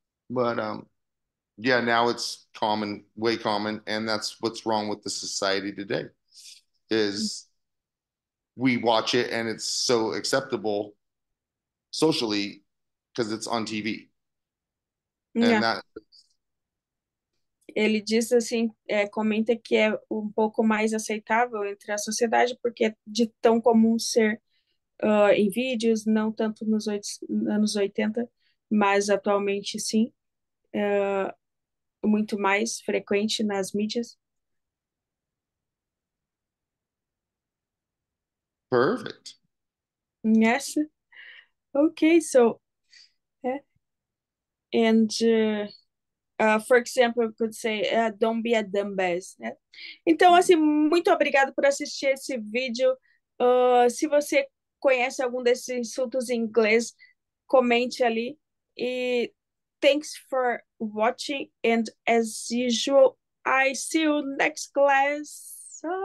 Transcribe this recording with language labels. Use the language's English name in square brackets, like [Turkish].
[English] But yeah, now it's common, way common, and that's what's wrong with the society today is we watch it and it's so acceptable socially because it's on TV. And Yeah. that [Portuguese] Ele diz assim, comenta que é um pouco mais aceitável entre a sociedade, porque é de tão comum ser em vídeos, não tanto nos anos 80, mas atualmente sim, muito mais frequente nas mídias. [English] perfect. Yes. Okay, so. And for example, eu could say, don't be a dumbass, né? [Portuguese] Então, assim, muito obrigado por assistir esse vídeo. Se você conhece algum desses insultos em inglês, comente ali. [English] E thanks for watching. And as usual, I see you next class.